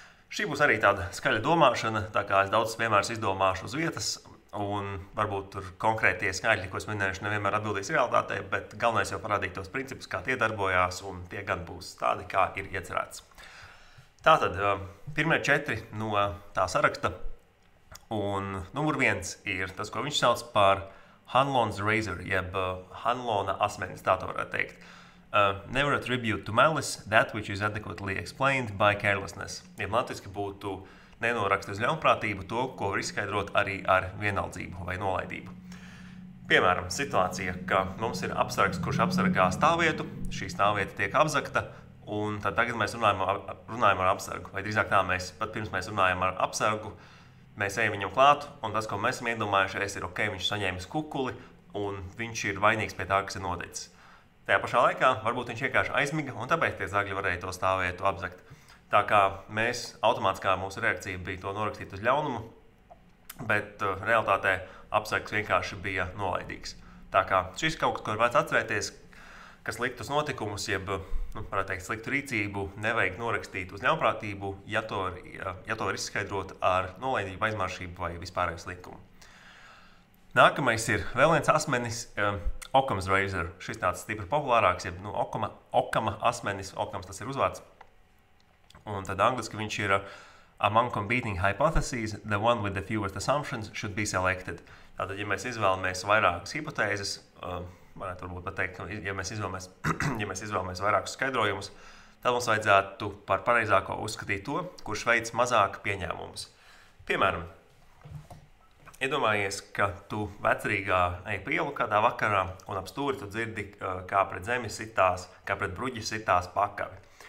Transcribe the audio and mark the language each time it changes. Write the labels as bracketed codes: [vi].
[lv] Šī būs arī tāda skaļa domāšana, tā kā es daudz piemērus izdomāšu uz vietas un varbūt tur konkrētie skaļi, ko es minējuši, nevienmēr atbildīs realitātē, bet galvenais jau parādīt tos principus, kā tie darbojās un tie gan būs tādi, kā ir iecerēts. Tātad, pirmie četri no tā saraksta un numur viens ir tas, ko viņš sauc par Hanlon's Razor, jeb Hanlona asmenis, tā to varētu teikt. [en] Never attribute to malice that which is adequately explained by carelessness. [lv] Ja latviski būtu nenoraksta uz ļaunprātību to, ko var izskaidrot arī ar vienaldzību vai nolaidību. Piemēram, situācija, ka mums ir apsargs, kurš apsargā stāvvietu, šī stāvvieta tiek apzagta, un tad tagad mēs runājam ar apsargu, vai drīzāk tā mēs, pat pirms mēs runājam ar apsargu, mēs ejam viņam klāt, un tas, ko mēs esam iedomājušies, ir ok, viņš saņēmis kukuli, un viņš ir vainīgs pie tā, kas ir noticis. Tajā pašā laikā varbūt viņš vienkārši aizmiga, un tāpēc tie zagļi varēja to stāvvietu apzagt. Tā kā mēs, automātiskā mūsu reakcija bija to norakstīt uz ļaunumu, bet realitātē apsargs vienkārši bija nolaidīgs. Tā kā šis kaut kas, ko ir vērts atcerēties, ka sliktus notikumus, jeb, nu, varētu teikt, sliktu rīcību, nevajag norakstīt uz ļaunprātību, ja to var izskaidrot ar nolaidību, aizmāršību vai vispārējo slinkumu. Nākamais ir vēl viens asmenis, Occam's Razor. Šis tāds stipri populārāks, jeb nu, Occam's asmenis, Occam's tas ir uzvārds. Un tad angliski viņš ir [en] Among competing hypotheses, the one with the fewest assumptions should be selected. [lv] Tātad, ja mēs izvēlamies vairākas hipotēzes, varētu varbūt pateikt, ka ja mēs izvēlamies vairākus skaidrojumus, tad mums vajadzētu par pareizāko uzskatīt to, kurš veic mazāk pieņēmumus. Piemēram, iedomājies, ka tu vecrīgā eji pielu kādā vakarā un ap stūri tu dzirdi, kā pret zemi sitās, kā pret bruģi sitās pakavi.